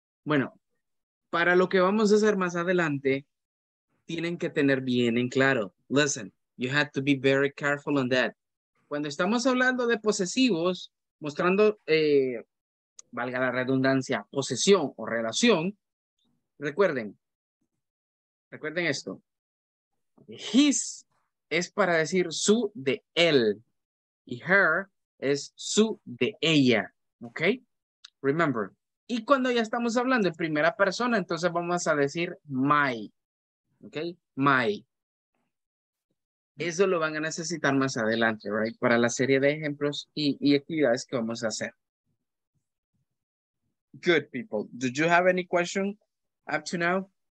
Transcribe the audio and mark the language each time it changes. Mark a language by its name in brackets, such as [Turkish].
[Spanish] Bueno, para lo que vamos a hacer más adelante, tienen que tener bien en claro. [English] Listen, you have to be very careful on that. [Spanish] Cuando estamos hablando de posesivos, mostrando, valga la redundancia, posesión o relación, recuerden esto. His es para decir su de él. Y her es su de ella. ¿Ok? Remember. Y cuando ya estamos hablando en primera persona, entonces vamos a decir my. ¿Ok? My. Eso lo van a necesitar más adelante, right? Para la serie de ejemplos y actividades que vamos a hacer. [English] Good, people. Do you have any question up to now?